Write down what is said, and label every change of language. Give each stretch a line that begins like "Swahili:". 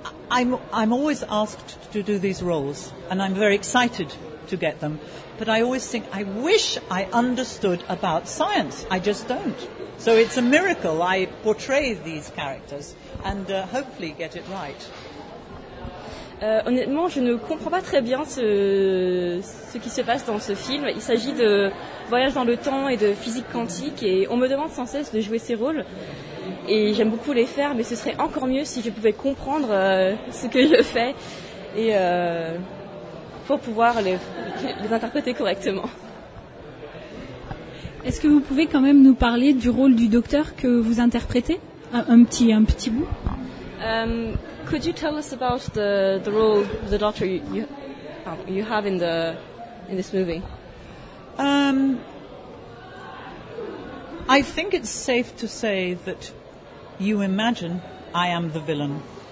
English: I'm always asked to do these roles, and I'm very excited to get them. But I always think, I wish I understood about science. I just don't. So it's a miracle I portray these characters and hopefully get it right.
French: Honnêtement, je ne comprends pas très bien ce qui se passe dans ce film. Il s'agit de voyage dans le temps et de physique quantique, et on me demande sans cesse de jouer ces rôles. Et j'aime beaucoup les faire, mais ce serait encore mieux si je pouvais comprendre ce que je fais et pour pouvoir les interpréter correctement. Est-ce que vous pouvez quand même nous parler du rôle du docteur que vous interprétez? Un petit bout.
English: Could you tell us about the role of the doctor you have in this movie? I think it's safe to say that you imagine I am the villain.